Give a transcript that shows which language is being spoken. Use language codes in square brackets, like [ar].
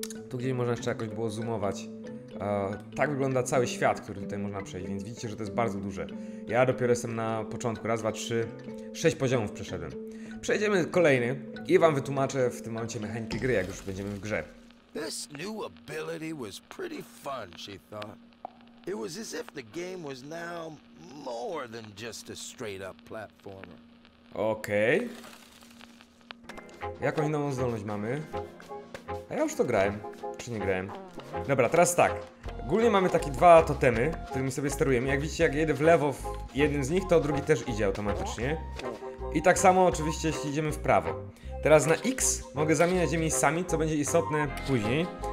[pl] Tu gdzieś można jeszcze jakoś było zoomować. Tak wygląda cały świat, który tutaj można przejść, więc widzicie, że to jest bardzo duże. Ja dopiero jestem na początku, raz, dwa, trzy, sześć poziomów przeszedłem. Przejdziemy kolejny i wam wytłumaczę w tym momencie mechaniki gry, jak już będziemy w grze. [en] This new ability was pretty fun, she thought. It was as if the game was now more than just a straight up platformer. [pl] Okej. Jaką inną zdolność mamy? A ja już to grałem, czy nie grałem? Dobra, teraz tak. Ogólnie mamy takie dwa totemy, którymi sobie sterujemy. Jak widzicie, jak jedę w lewo w jednym z nich, to drugi też idzie automatycznie. I tak samo oczywiście, jeśli idziemy w prawo. Teraz na X mogę zamieniać je miejscami, co będzie istotne później.